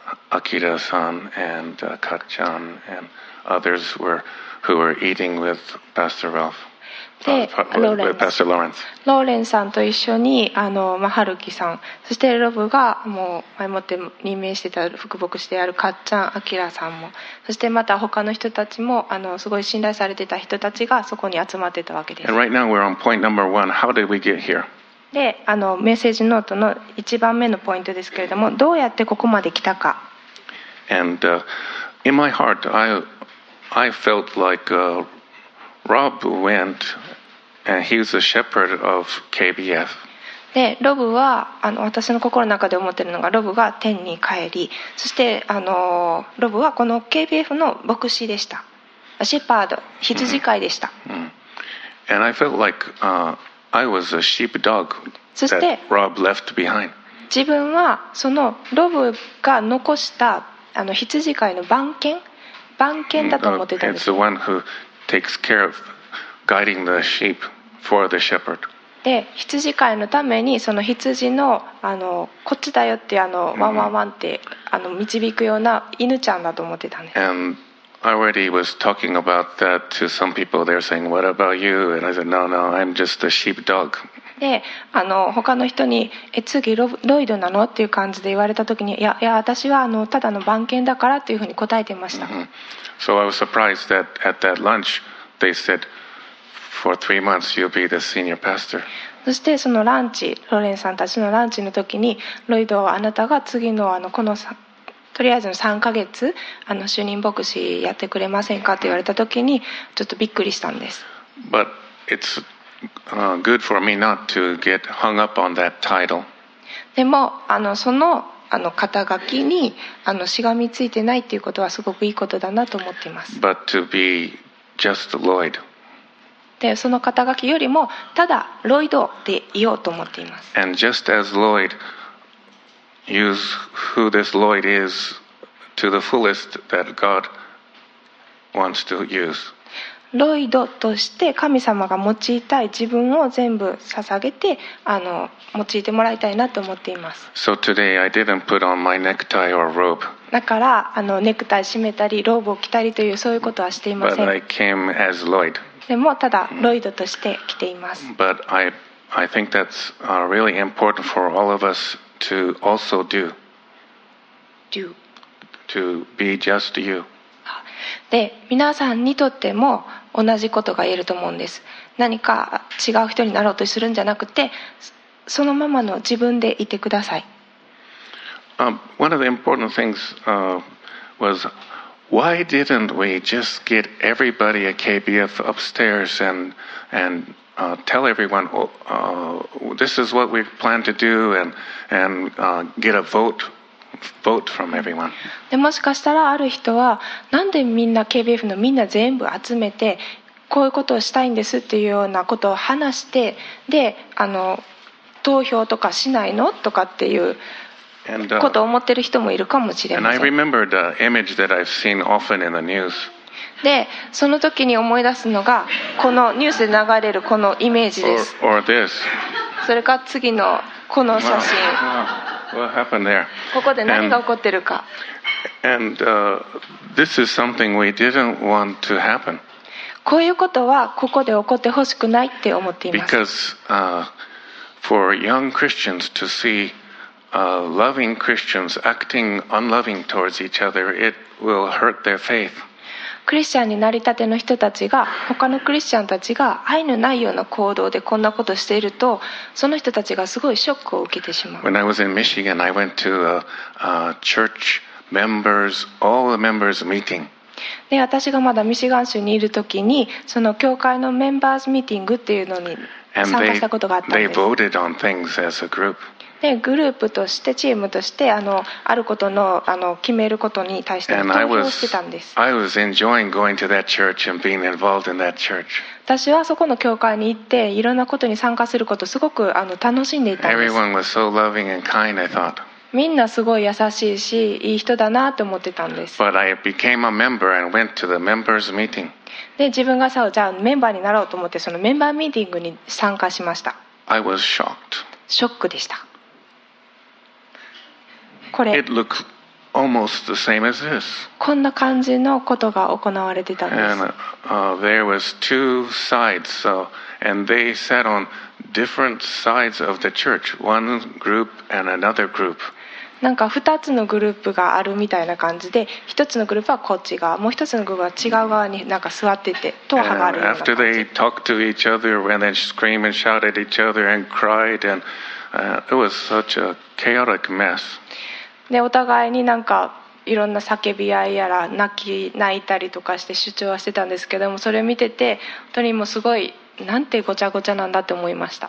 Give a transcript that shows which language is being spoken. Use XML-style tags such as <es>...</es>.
<en>Akira-san and Kat-chan and others who were eating with Pastor Ralph. With Pastor Lawrence.</en> <ja>ローレンさんと一緒にあの、まあ、ハルキさん、そしてロブがもう前もって任命してた副牧師であるカッチャン、アキラさんも、そしてまた他の人たちもあのすごい信頼されてた人たちがそこに集まってたわけです。</ja> <en>And right now we're on point number one. How did we get here?</en> <ja>で、あのメッセージノートの一番目のポイントですけれども、どうやってここまで来たか。</ja> <en>And, in my heart, I felt like, Rob went And he was the shepherd of KBF.</en> <ja>でロブは私の心の中で思っているのがロブが天に帰り、そしてロブはこの KBF の牧師でした、シェパード、羊飼いでした。</ja> <en>And I felt like, I was a sheepdog that Rob left behind.</en> <ja>自分はそのロブが残した羊飼いの番犬、番犬だと思ってたんです。</ja> <en>It's the one who takes care of guiding the sheep for the shepherd.</en> <ja>で、羊飼いのためにその羊のこっちだよってワンワンワンって導くような犬ちゃんだと思ってたんです。</ja> <en>And I already was talking about that to some people. They're saying, "What about you?" And I said, "No, no, I'm just a sheepdog."</en> <ja>で、他の人に、次ロイドなのっていう感じで言われた時に、いや私はただの番犬だからというふうに答えてました。</ja> <en>So I was surprised that at that lunch they said, "For 3 months, you'll be the senior pastor."</en> <ja>そしてそのランチ、ロレンさんたちのランチの時に、ロイドはあなたが次のこのさ。とりあえずの3ヶ月主任牧師やってくれませんかって言われた時にちょっとびっくりしたんです。</ja> <en>But it's good for me not to get hung up on that title.</en> <ja>でもその肩書きにしがみついてないっていうことはすごくいいことだなと思っています。</ja> <en>But to be just Lloyd.</en> <ja>でその肩書きよりもただロイドでいようと思っています。</ja> <en>And just as Lloyd. Use who this Lloyd is to the fullest that God wants to use.</en> <ja>ロイドとして神様が用いたい自分を全部捧げて用いてもらいたいなと思っています。</ja> <en>So today I didn't put on my necktie or robe.</en> <ja>だからネクタイ締めたりローブを着たりというそういうことはしていません。</ja> <en>But I came as Lloyd.</en> <ja>でもただロイドとして来ています。</ja> <en>But I think that's really important for all of us. To also do. To be just you.</en> <ja>で、皆さんにとっても同じことが言えると思うんです。何か違う人になろうとするんじゃなくて、そのままの自分でいてください。</ja> <en>One of the important things, was why didn't we just get everybody at KBF upstairs and tell everyone, this is what we plan to do, and get a vote from everyone.</en> <ja>でもしかしたらある人はなんでみんな KBF のみんな全部集めてこういうことをしたいんですっていうようなことを話してで投票とかしないのとかっていうことを思ってる人もいるかもしれません。</ja> <en>And I remember the image that I've seen often in the news.</en> <ja>でその時に思い出すのがこのニュースで流れるこのイメージです。</ja> <en>or this.</en> <ja>それか次のこの写真。</ja> <en>What happened there?</en> <ja>ここで何が起こってるか。</ja> <en>and this is something we didn't want to happen.</en> <ja>こういうことはここで起こってほしくないって思っています。</ja> <en>Because, for young Christians to see, loving Christians acting unloving towards each other, it will hurt their faith.</en> <ja>クリスチャンになりたての人たちが他のクリスチャンたちが愛のないような行動でこんなことしているとその人たちがすごいショックを受けてしまう。</ja> <en>When I was in Michigan, I went to a church members, all the members meeting.</en> <ja>で私がまだミシガン州にいるときにその教会のメンバーズミーティングっていうのに参加したことがあったんです。</ja> <en>And they voted on things as a group.</en> <ja>でグループとしてチームとしてあることの決めることに対して投票してたんです。</ja> <en>I was enjoying going to that church and being involved in that church.</en> <ja>私はそこの教会に行っていろんなことに参加することすごく楽しんでいたんです。</ja> <en>Everyone was so loving and kind, I thought.</en> <ja>みんなすごい優しいしいい人だなと思ってたんです。</ja> <en>But I became a member and went to the members meeting.</en> <ja>で自分がさじゃあメンバーになろうと思ってそのメンバーミーティングに参加しました。</ja> <en>I was shocked.</en> <ja>ショックでした。</ja> <en>It looks almost the same as this.</en> <ja>こんな感じのことが行われてたんです。</ja> <en>And, there was two sides, so, and they sat on different sides of the church, one group and another group.</en> <ja>なんか2つのグループがあるみたいな感じで、1つのグループはこっち側、もう1つのグループは違う側になんか座ってて、党派があるような感じ。</ja> <en>After they talked to each other and then screamed and shouted at each other and cried, and it was such a chaotic mess.</en> <ja>でお互いになんかいろんな叫び合いやら泣き泣いたりとかして主張はしてたんですけども、それを見てて本当にもうすごいなんてごちゃごちゃなんだって思いました。</ja>